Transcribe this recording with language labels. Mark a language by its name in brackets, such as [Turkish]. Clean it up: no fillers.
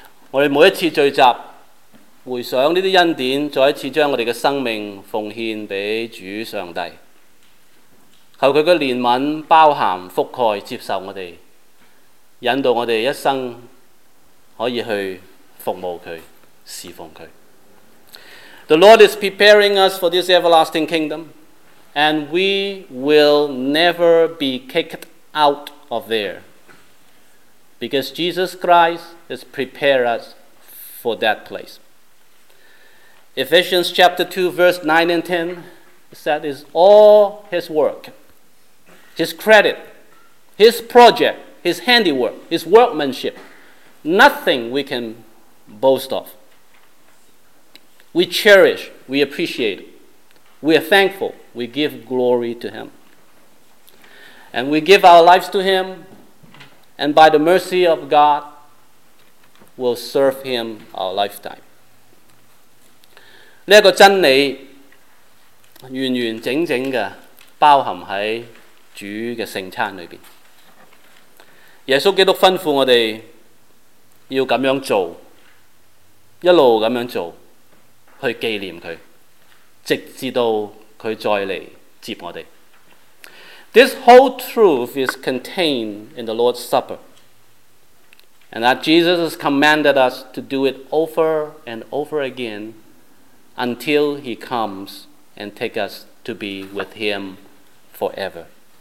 [Chinese] 我们每一次聚集回想这些恩典，再一次将我们的生命奉献给主上帝，求祂的怜悯包含覆盖接受我们，引导我们一生可以去服务祂、侍奉祂。 [English] The Lord is preparing us for this everlasting kingdom, and we will never be kicked out of there, because Jesus Christ has prepared us for that place. Ephesians chapter 2 verse 9 and 10 said, is all His work, His credit, His project,His handiwork, His workmanship, nothing we can boast of. We cherish, we appreciate, we are thankful, we give glory to Him. And we give our lives to Him, and by the mercy of God, we'll serve Him our lifetime. [Chinese] 这个真理完完整整的包含在主的圣餐里面。耶稣基督吩咐我们要这样做，一路这样做去纪念祂，直至到祂再来接我们。 [English] This whole truth is contained in the Lord's Supper, and that Jesus has commanded us to do it over and over again until He comes and take us to be with Him forever.